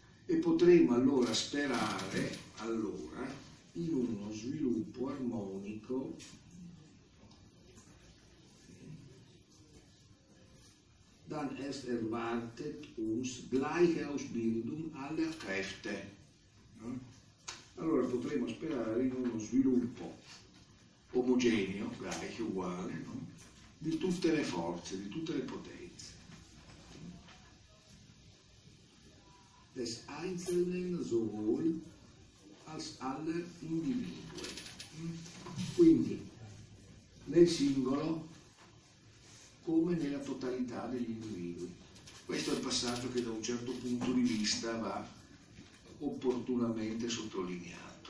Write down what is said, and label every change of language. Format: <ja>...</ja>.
<it>E potremo allora sperare, allora, in uno sviluppo armonico</it> <de>dann es erwartet uns gleiche Ausbildung aller Kräfte.</de> <it>Allora potremo sperare in uno sviluppo omogeneo, gleich, uguale, no? Di tutte le forze, di tutte le potenze.</it> <de>Des einzelnen sowohl als aller Individuen.</de> <it>Quindi, nel singolo come nella totalità degli individui. Questo è il passaggio che da un certo punto di vista va opportunamente sottolineato.</it>